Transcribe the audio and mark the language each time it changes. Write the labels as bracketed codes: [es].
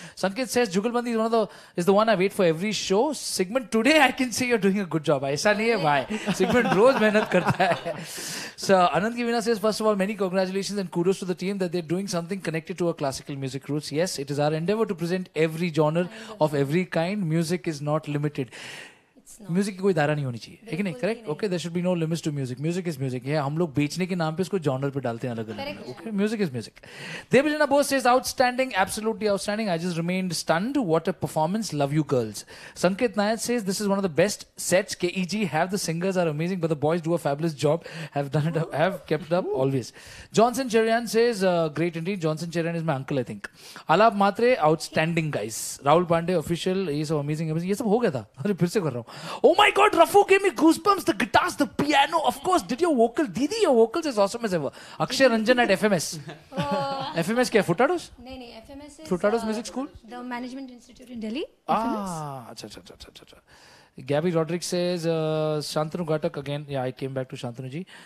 [en] Sanket says, Jugalbandi is the one I wait for every show. Sigmund, today I can say you're doing a good job. [hi] Aisa nahi hai, bhai. [en] Sigmund roz mehnat karta hai. So, Anand Givina says, first of all, many congratulations and kudos to the team that they're doing something connected to our classical music roots. Yes, it is our endeavor to present every genre of every kind. Music is not limited. [hi] Music की कोई धारा नहीं होनी चाहिए, ठीक है? [en] नहीं, correct, okay, there should be no limits to music. Music is music. [hi] हम लोग बेचने के नाम पे इसको जॉनर पे डालते हैं अलग अलग. [en] Okay, music is music. Debjana Bose is outstanding, absolutely outstanding. I just remained stunned. What a performance, love you girls. Sanket Naik says, this is one of the best sets KEG have. The singers are amazing but the boys do a fabulous job, have done it, have kept up always. Johnson Cherian says, great indeed. Johnson Cherian is my uncle, I think. Alap Matre, outstanding guys. Rahul Pandey official, ये सब amazing. [hi] ये सब हो गया था, अरे फिर से कर रहा हूँ. [en] Oh my god, Rafu gave me goosebumps. The guitars, the piano, of course. Did your vocal, Didi, your vocals is awesome as ever. Akshay Ranjan at FMS. FMS kya, Futados? Nee, FMS is Futados Music School? The Management Institute in Delhi. [hi] Ah, acha. [en] Gabby Roderick says, Shantanu Ghatak again. Yeah, I came back to Shantanu ji.